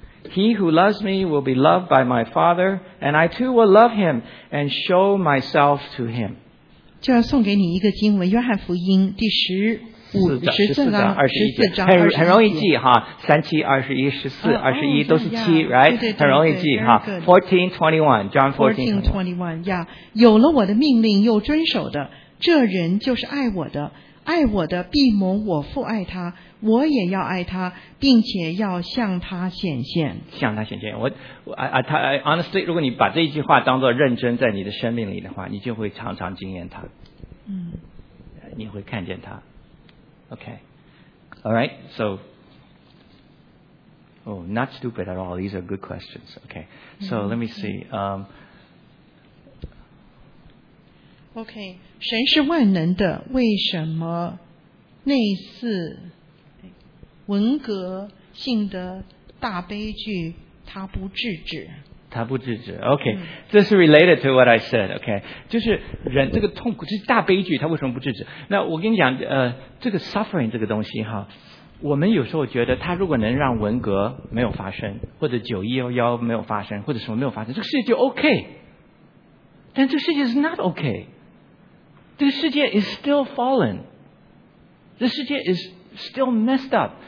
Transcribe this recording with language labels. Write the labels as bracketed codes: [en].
[en] He who loves me will be loved by my Father, and I too will love him and show myself to him. [zh] 就要送给你一个经文，约翰福音第十五十四章二十一节，很容易记哈，3721，14:21都是七 ，right？很容易记哈 ，14:21，John 14:21 呀，有了我的命令又遵守的，这人就是爱我的，爱我的必蒙我父爱他。我也要爱他，并且要向他显现。向他显现， [en] I honestly, [zh] 如果你把这一句话当作认真在你的生命里的话，你就会常常惊艳他。你会看见他。 [en] Okay, all right. So, oh, not stupid at all. These are good questions. Okay, so let me see. [zh] Okay, 神是万能的，为什么类似？文革性的大悲剧，他不制止。他不制止。 [en] OK, this is related to what I said. [zh] OK, 就是人这个痛苦，这是大悲剧，他为什么不制止？那我跟你讲，这个 suffering 这个东西哈，我们有时候觉得，他如果能让文革没有发生，或者911没有发生，或者什么没有发生，这个世界就 OK。但这个世界 [en] is not OK. [zh] 这个世界 [en] is still fallen. [zh] 这世界 [en] is. Still messed up.